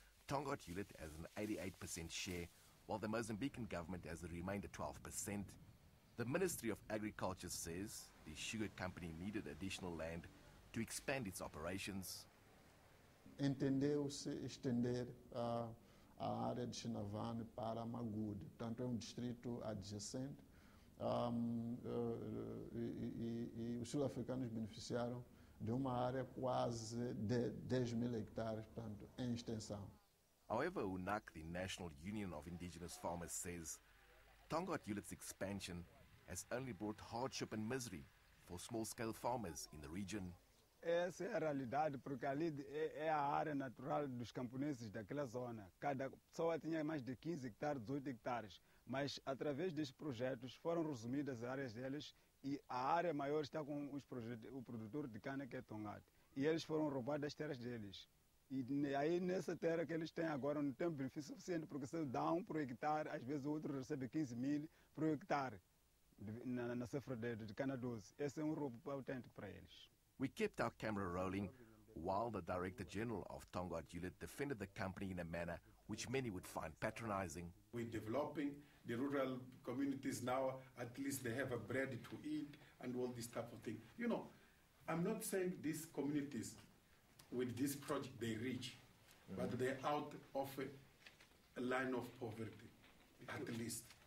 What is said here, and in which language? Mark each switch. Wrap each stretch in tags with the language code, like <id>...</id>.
<en>Tongaat Hulett has an 88% share, while the Mozambican government has the remainder 12%. The Ministry of Agriculture says the sugar company needed additional land to expand its operations.</en> <pt>Entendeu-se estender a área de Chinavane para Magud, tanto é distrito adjacente, e os sul-africanos beneficiaram de uma área quase de 10 mil hectares, portanto, em extensão.</pt> <en>However, UNAC, the National Union of Indigenous Farmers, says Tongaat Hulett's expansion has only brought hardship and misery for small-scale farmers in the region.</en> <pt>Essa é a realidade, porque ali é a área natural dos camponeses daquela zona. Cada pessoa tinha mais de 15 hectares, 18 hectares. Mas, através destes projetos, foram resumidas as áreas deles e a área maior está com o produtor de cana, que é Tongate. E eles foram roubados as terras deles. E aí, nessa terra que eles têm agora, não tem benefício suficiente, porque se dá um por hectare, às vezes o outro recebe 15 mil por hectare na safra de cana doce. Esse é um roubo autêntico para eles.</pt> <en>We kept our camera rolling while the Director General of Tongaat Ulet defended the company in a manner which many would find patronizing. We're developing the rural communities now, at least they have a bread to eat and all this type of thing. You know, I'm not saying these communities with this project they reach, but they're out of a line of poverty, at least.</en>